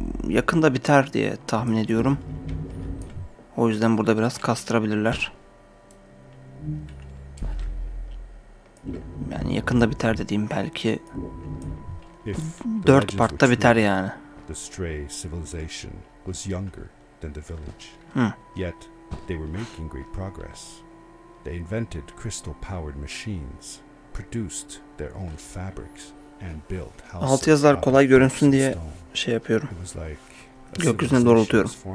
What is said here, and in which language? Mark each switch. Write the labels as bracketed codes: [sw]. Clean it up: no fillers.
[tr] yakında biter diye tahmin ediyorum. O yüzden burada biraz kastırabilirler. Yani yakında biter dediğim belki 4 partta biter yani. [en] The stray civilization was younger than the village. Yet they were making great progress. They invented crystal powered machines, produced their own fabrics and built houses. [tr] Alt yazılar kolay görünsün diye şey yapıyorum. Gökyüzüne doğrultuyorum.